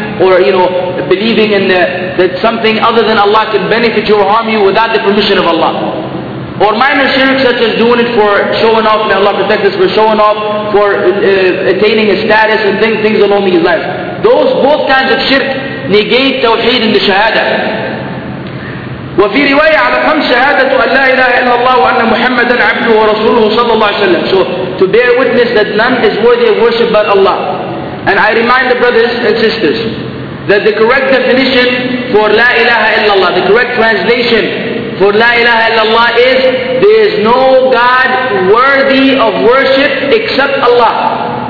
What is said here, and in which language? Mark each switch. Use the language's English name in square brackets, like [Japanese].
[English] Or, you know, believing in that something other than Allah can benefit you or harm you without the permission of Allah. Or minor shirk, such as doing it for showing off, may Allah protect us, for showing off, for attaining a status and things along these lines. Those both kinds of shirk negate tawheed and the shahada. [Arabic] وفي رواية على خم شهادة أن لا إله إلا الله وأن محمدا عبده ورسوله صلى الله عليه وسلم. [English] So to bear witness that none is worthy of worship but Allah. And I remind the brothers and sisters that the correct definition for [Arabic] لا إله إلا الله, [English] the correct translation for la ilaha illallah is, there is no God worthy of worship except Allah.